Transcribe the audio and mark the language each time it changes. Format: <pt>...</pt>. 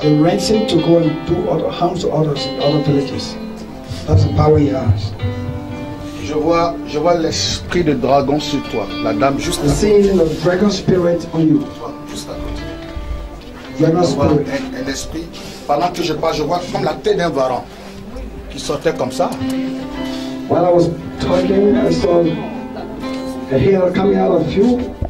<en>The ransom to go and do other harm to others in other villages. That's the power he has.</en> <fr>Je vois l'esprit de dragon sur toi. La dame juste là.</fr> <en>I'm seeing the dragon spirit on you.</en> <fr>Juste à côté.</fr> <en>Dragon spirit.</en> <fr>Un esprit. Pendant que je parle, je vois comme la tête d'un varan. Qui sortait comme ça.</fr> <en>While I was talking, I saw a hair coming out of you.</en>